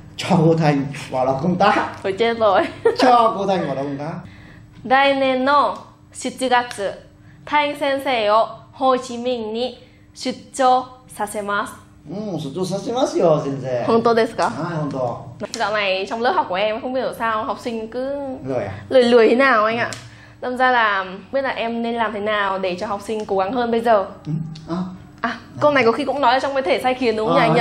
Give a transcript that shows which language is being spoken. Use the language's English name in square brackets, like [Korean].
[Vietnamese] Cho cô Thành vào làm công tác. Thôi chết rồi. Cho cô Thành vào làm công tác. [Japanese] 来年の7月、太陽先生をホーチミンに出張させます。 [Vietnamese] Ừ, thật sự là thật. Dạo này trong lớp học của em không biết là sao học sinh cứ lười à? Lười lười thế nào anh ạ? Đâm ra là biết là em nên làm thế nào để cho học sinh cố gắng hơn bây giờ. Ừ. À, câu này có khi cũng nói trong cái thể sai khiến đúng không nhỉ?